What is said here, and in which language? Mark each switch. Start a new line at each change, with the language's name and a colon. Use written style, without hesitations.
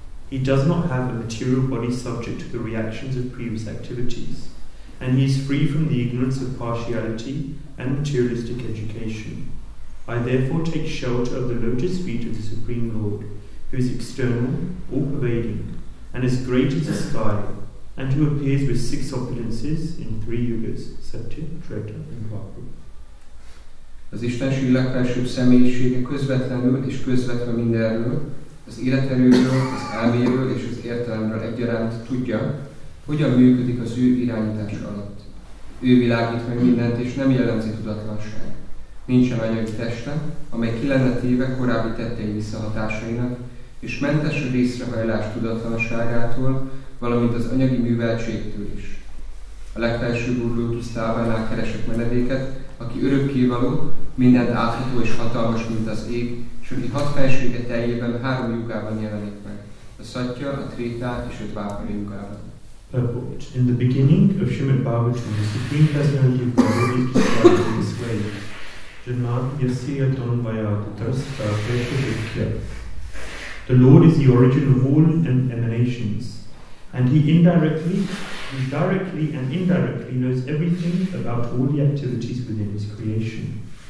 English: He does not have a material body subject to the reactions of previous activities, and he is free from the ignorance of partiality and materialistic education. I therefore take shelter of the lotus feet of the Supreme Lord, who is external, all-pervading, and as great as the sky, and who appears with six opulences in three yugas, Satya, Treta, and Vapra.
Hungarian: Az Istenség legfelsőbb személyisége közvetlenül és közvetve mindenről, az életerőről, az elméről és az értelemről egyaránt tudja, hogyan működik az ő irányítása alatt. Ő világít meg mindent és nem jellemzi tudatlanság. Nincsen anyagi teste, amely ki lenne téve korábbi tettei visszahatásainak, és mentes a részrehajlás tudatlanságától, valamint az anyagi műveltségtől is. A legfelsőbb úr lótusz lábánál keresek menedéket, aki örökkévaló, mindent átható és hatalmas, mint az ég, és aki hat felsége teljében három lyukában jelenik meg, a Szatya, a Tréta és a Dvápara lyukában.
English: Purport. In the beginning of Srimad Bhagavatam, the Supreme Personality of Godhead is described in this way.
Sanskrit: Janam yasya tanvaya tatrasya prasya vikya.
English: The Lord is the origin of all and emanations, and He directly and indirectly knows everything about all the activities within His creation.